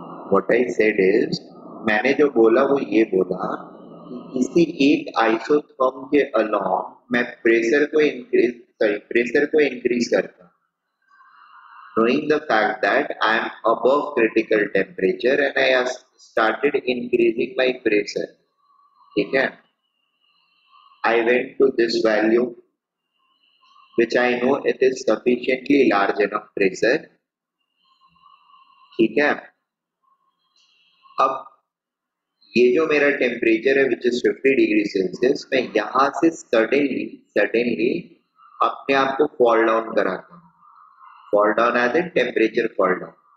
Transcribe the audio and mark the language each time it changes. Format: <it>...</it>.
<en>what I said is,</en> <hi>मैंने जो बोला वो ये बोला कि इसी एक आइसोथर्म के अलॉन्ग मैं प्रेशर को इंक्रीज करता,</hi> <en>knowing the fact that I am above critical temperature and I have started increasing my pressure.</en> <hi>ठीक है,</hi> <en>I went to this value which I know it is sufficiently large enough pressure.</en> <hi>ठीक है, अब ये जो मेरा temperature है</hi> <en>which is 50 degree Celsius,</en> <hi>मैं यहां से suddenly अपने आप को fall down कराता हूँ.</hi> <en>Fall down as in temperature fall down.</en>